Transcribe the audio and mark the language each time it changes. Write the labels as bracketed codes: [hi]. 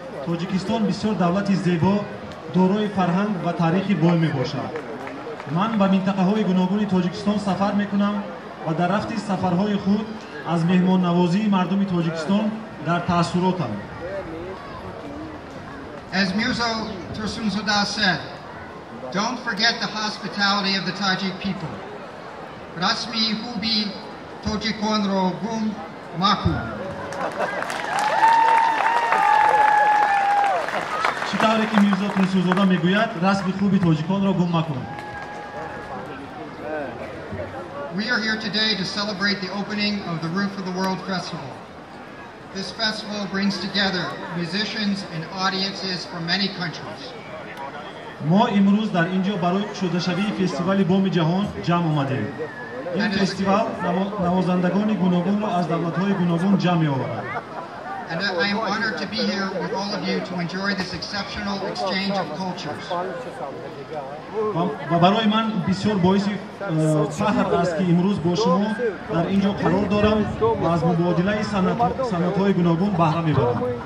[tg] Tojikiston bisyor davlati zebo дорои фарҳанг ва таърихи бой мебошад. Ман ба минтақаҳои гуногуни Тоҷикистон сафар мекунам ва дар рафти сафарҳои худ аз меҳмоннавозии мардуми Тоҷикистон дар таассуротам. [en] As Mirzo Tursunzoda said, don't forget the hospitality of the Tajik people. [tg] Расми хуби тоҷиконро гум маку. Таре ки Мирзо Тунсузода мегуяд, расми хуби тоҷиконро гум макун. [en] We are here today to celebrate the opening of the Roof of the World Festival. This festival brings together musicians and audiences from many countries. [tg] Мо имрӯз дар инҷо барои кушодашавии фестивали Боми Ҷаҳон ҷамъ омадем. Ин фестивал навозандагони гуногунро аз давлатҳои гуногун ҷамъ меоварад. [en] And I am honored to be here with all of you to enjoy this exceptional exchange of cultures. [tg] Ва барои ман бисёр боиси фахр аст ки имрӯз бо шумо дар инҷо қарор дорам ва аз мубодилаи санъатҳои гуногун баҳра мебарам.